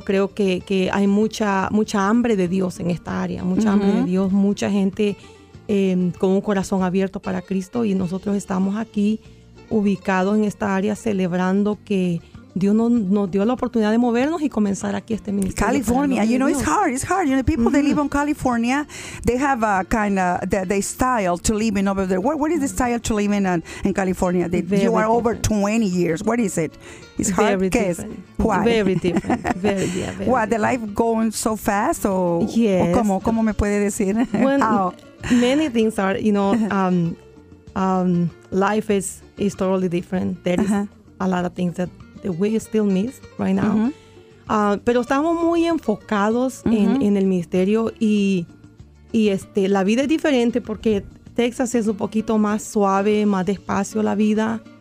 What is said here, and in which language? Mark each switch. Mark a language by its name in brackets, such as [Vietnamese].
[Spanish] Creo que hay mucha hambre de Dios en esta área. Mucha hambre de Dios. Mucha gente con un corazón abierto para Cristo. Y nosotros estamos aquí ubicados en esta área celebrando que Dios nos dio la oportunidad de movernos y comenzar aquí este ministerio. [English] California, you know, it's hard. You know, people that live in California, they have a kind of the style to live in over there. What is the style to live in California? You are over 20 years. What is it? It's hard. Very different. Why? Very different. Very, yeah, very what? The life going so fast? Or, yes. [Spanish] Or ¿Cómo me puede decir? [English] When many things are, you know, life is totally different. There is a lot of things that we still miss right now. [Spanish] Pero estamos muy enfocados en el ministerio y la vida es diferente porque Texas es un poquito más suave, más despacio la vida.